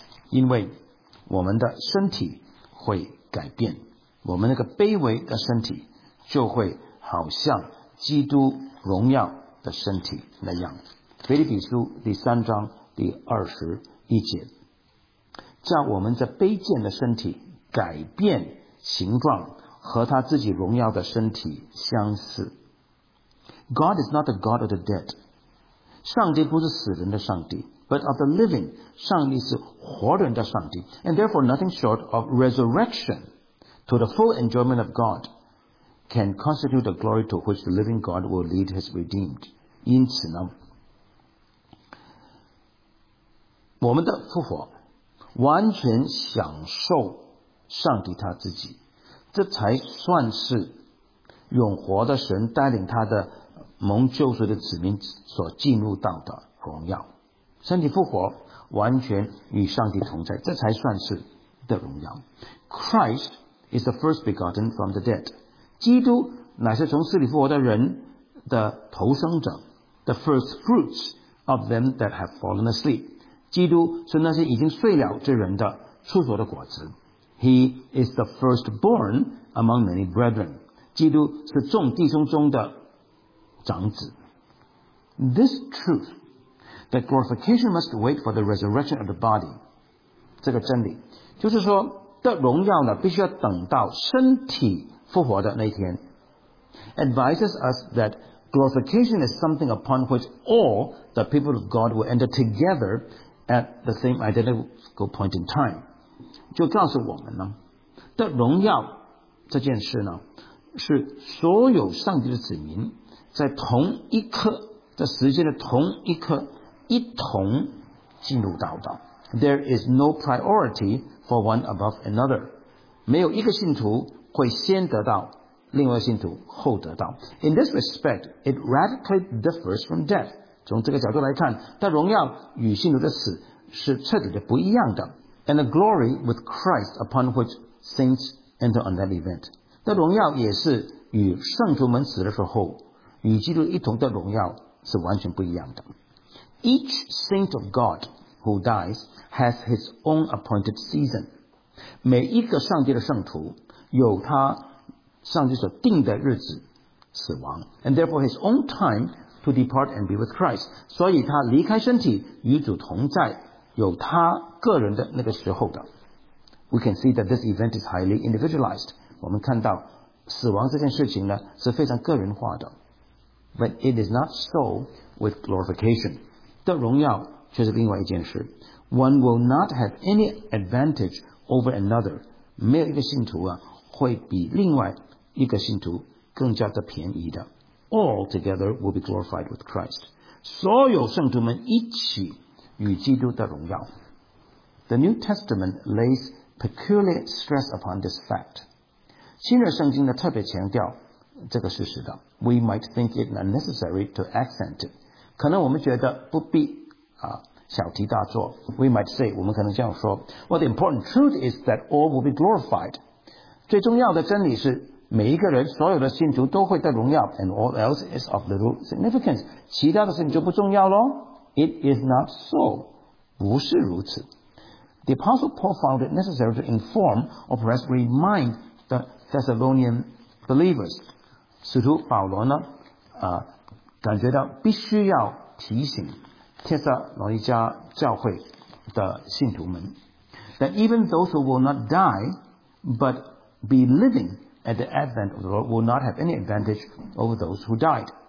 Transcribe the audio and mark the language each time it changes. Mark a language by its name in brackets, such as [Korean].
[Chinese] 因为我们的身体会改变，我们那个卑微的身体就会好像基督荣耀的身体那样。腓立比书第三章第二十一节，叫我们这卑贱的身体改变形状，和他自己荣耀的身体相似。 [English] God is not the God of the dead. [Chinese] 上帝不是死人的上帝， [English] but of the living. [Chinese] 上帝是活人的上帝。 [English] And therefore nothing short of resurrection to the full enjoyment of God can constitute the glory to which the living God will lead his redeemed. [Chinese] 因此呢，我们的复活完全享受上帝他自己，这才算是永活的神带领他的蒙救赎的子民所进入到的荣耀。身体复活完全与上帝同在，这才算是的荣耀。 [English] Christ is the first begotten from the dead. [Chinese] 基督乃是从死里复活的人的头生者。 [English] The first fruits of them that have fallen asleep. [Chinese] 基督是那些已经睡了之人的初熟的果子。 [English] He is the firstborn among many brethren. [Chinese] 基督是众弟兄中的长子。 [English] This truth, that glorification must wait for the resurrection of the body. [Chinese] 这个真理就是说的荣耀呢必须要等到身体复活的那天。 [English] advises us that glorification is something upon which all the people of God will enter together at the same identical point in time. [Chinese] 就告诉我们呢的荣耀这件事呢是所有上帝的子民在同一刻的时间的同一刻一同进入到的。 [English] There is no priority for one above another. [Chinese] 没有一个信徒会先得到另外一个信徒后得到。 [English] In this respect, it radically differs from death. [Chinese] 从这个角度来看但荣耀与信徒的死是彻底的不一样的。 [English] And the glory with Christ upon which saints enter on that event. [Chinese] 但荣耀也是与圣徒们死的时候与基督一同的荣耀是完全不一样的。 [English] Each saint of God who dies has his own appointed season. [Chinese] 每一个上帝的圣徒有他上帝所定的日子死亡。 [English] And therefore his own time to depart and be with Christ. [Chinese] 所以他离开身体与主同在有他个人的那个时候的。 [English] We can see that this event is highly individualized. [Chinese] 我们看到死亡这件事情呢是非常个人化的。 [English] But it is not so with glorification. [Chinese] 的荣耀却是另外一件事。 [English] One will not have any advantage over another. [Chinese] 没有一个信徒啊会比另外一个信徒更加的便宜的。 [English] All together will be glorified with Christ. [Chinese] 所有圣徒们一起与基督的荣耀。 [English] The New Testament lays peculiar stress upon this fact. [Chinese] 新约圣经呢特别强调这个事实的。 [English] We might think it unnecessary to accent it. [Chinese] 可能我们觉得不必小题大做。 [English] We might say, [Chinese] 我们可能这样说 [English] Well, the important truth is that all will be glorified. [Chinese] 最重要的真理是每一个人所有的信徒都会得荣耀 [English] and all else is of little significance. [Chinese] 其他的事情就不重要咯。 [English] It is not so. [Chinese] 不是如此。 [English] The Apostle Paul found it necessary to inform or perhaps remind the Thessalonian believers. [Chinese] 使徒保罗呢感觉到必须要提醒帖撒罗尼迦教会的信徒们 [English] that even those who will not die but be living at the advent of the Lord will not have any advantage over those who died.